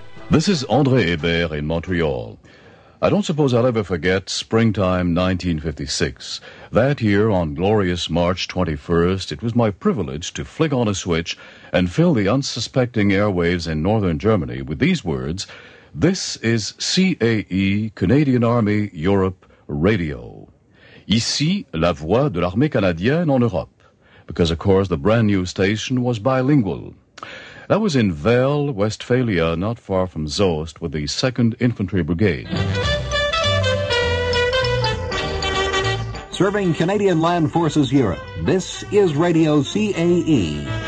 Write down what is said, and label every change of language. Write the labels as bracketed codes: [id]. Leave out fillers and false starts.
[en] This is André Hébert in Montreal. I don't suppose I'll ever forget springtime 1956. That year, on glorious March 21st, it was my privilege to flick on a switch and fill the unsuspecting airwaves in northern Germany with these words, "This is CAE, Canadian Army, Europe, Radio. [fr] Ici, la voix de l'armée canadienne en Europe." [en] Because, of course, the brand new station was bilingual. That was in Vail, Westphalia, not far from Zost, with the 2nd Infantry Brigade. Serving Canadian Land Forces Europe, this is Radio CAE.